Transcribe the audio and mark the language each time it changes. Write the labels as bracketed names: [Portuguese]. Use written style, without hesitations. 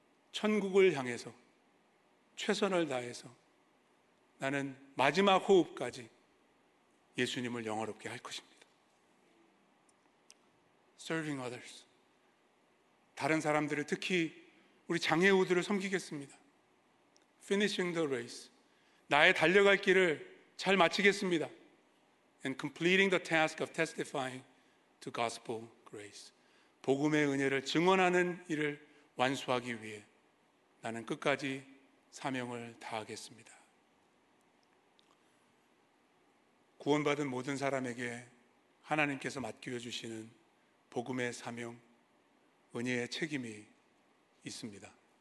[Korean] 천국을 향해서 최선을 다해서 나는 마지막 호흡까지 예수님을 영화롭게 할 것입니다. [English] Serving others. [Korean] 다른 사람들을 특히 우리 장애우들을 섬기겠습니다. [English] Finishing the race. [Korean] 나의 달려갈 길을 잘 마치겠습니다. [English] And completing the task of testifying to gospel grace. [Korean] 복음의 은혜를 증언하는 일을 완수하기 위해 나는 끝까지 사명을 다하겠습니다. 구원받은 모든 사람에게 하나님께서 맡겨 주시는 복음의 사명, 은혜의 책임이 있습니다.